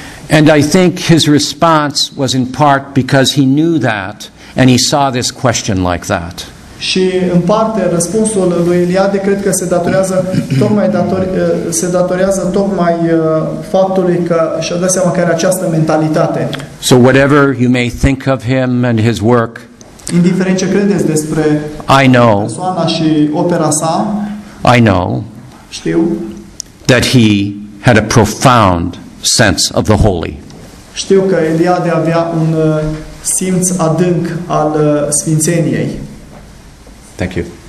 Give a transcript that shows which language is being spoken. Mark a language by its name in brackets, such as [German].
[English] And I think his response was in part because he knew that and he saw this question like that. [Romanian] Și în parte răspunsul lui Iliade cred că se datorează tocmai faptului că și-a dat seama că are această mentalitate. [English] So whatever you may think of him and his work, [Romanian] indiferent ce credeți despre persoana și opera sa, [English] I know, [Romanian] știu, [English] that he had a profound sense of the holy. [Romanian] Știu că Iliade avea un simț adânc al sfințeniei. [English] Thank you.